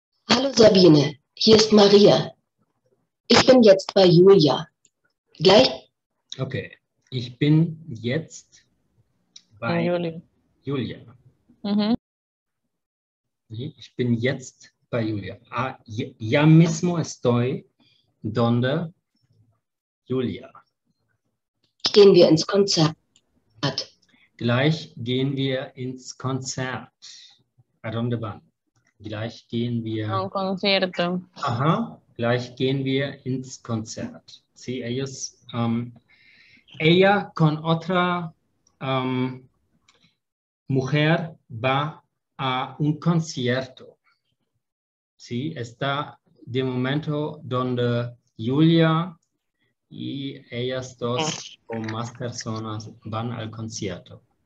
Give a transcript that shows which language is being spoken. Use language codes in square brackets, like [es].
[de] Hallo Sabine, hier ist Maria. Ich bin jetzt bei Julia. Gleich? Okay, ich bin jetzt bei Julia. Ich bin jetzt bei Julia. [es] Ya mismo estoy donde Julia. [de] Gehen wir ins Konzert. Gleich gehen wir ins Konzert. [es] ¿A dónde van? [de] Gleich gehen wir. [es] Un concierto. [de] Aha, gleich gehen wir ins Konzert. [es] Sí, ellos. Ella con otra mujer va a un concierto. Sí, está de momento donde Julia y ellas dos o más personas van al concierto.